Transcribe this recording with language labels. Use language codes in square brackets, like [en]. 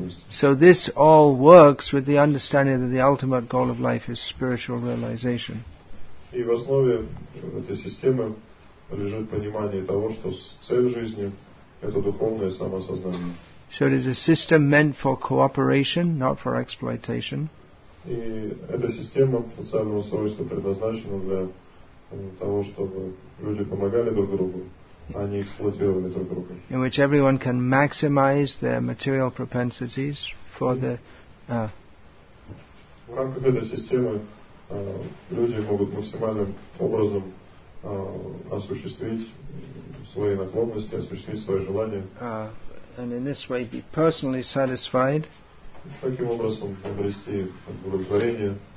[en] So this all works with the understanding that the ultimate goal of life is spiritual realization. [ru] И в основе этой системы лежит понимание того, что цель жизни – это духовное самосознание. [en] So it is a system meant for cooperation, not for exploitation. [ru] И эта система социального устройства предназначена для того, чтобы люди помогали друг другу. [en] In which everyone can maximize their material propensities for the. [ru] В рамках этой системы люди могут максимальным образом осуществить свои наклонности, осуществить свои желания. [en] And in this way, be personally satisfied. [ru] Таким образом обрести удовлетворение.